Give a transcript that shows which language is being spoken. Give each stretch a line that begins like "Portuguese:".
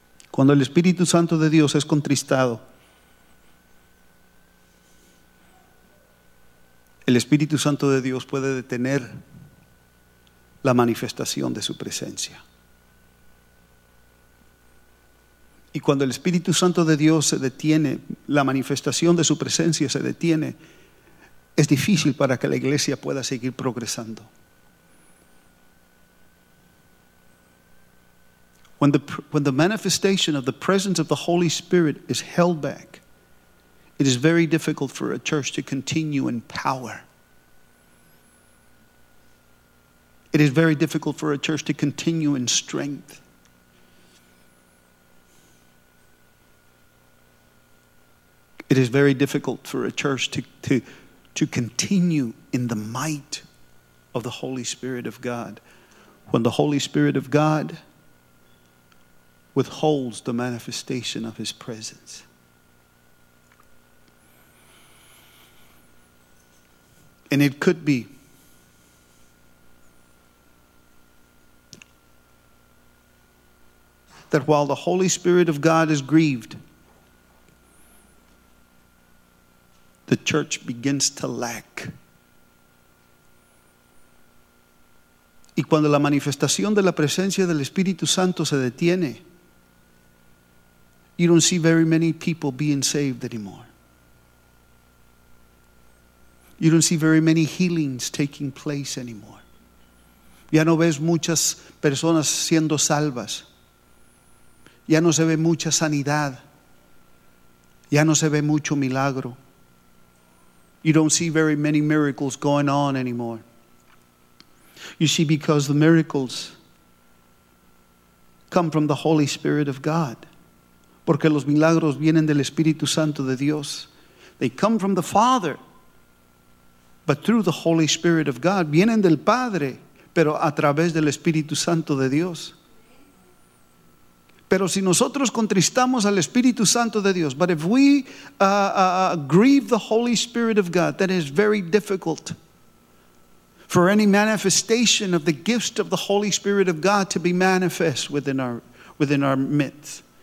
Spanish: Cuando el Espíritu Santo de Dios es contristado, el Espíritu Santo de Dios puede detener la manifestación de su presencia. Y cuando el Espíritu Santo de Dios se detiene, la manifestación de su presencia se detiene, es difícil para que la iglesia pueda seguir progresando.
English: When the manifestation of the presence of the Holy Spirit is held back, it is very difficult for a church to continue in power. It is very difficult for a church to continue in strength. It is very difficult for a church to continue in the might of the Holy Spirit of God when the Holy Spirit of God withholds the manifestation of his presence. And it could be that while the Holy Spirit of God is grieved, the church begins to lack.
Spanish: Y cuando la manifestación de la presencia del Espíritu Santo se detiene,
English: You don't see very many people being saved anymore. You don't see very many healings taking place anymore.
Spanish: Ya no ves muchas personas siendo salvas. Ya no se ve mucha sanidad. Ya no se ve mucho milagro.
English: You don't see very many miracles going on anymore. You see, because the miracles come from the Holy Spirit of God.
Spanish: Porque los milagros vienen del Espíritu Santo de Dios.
English: They come from the Father, but through the Holy Spirit of God.
Spanish: Vienen del Padre, pero a través del Espíritu Santo de Dios. Pero si nosotros contristamos al Espíritu Santo de Dios,
English: but if we grieve the Holy Spirit of God, that is very difficult for any manifestation of the gift of the Holy Spirit of God to be manifest within our midst.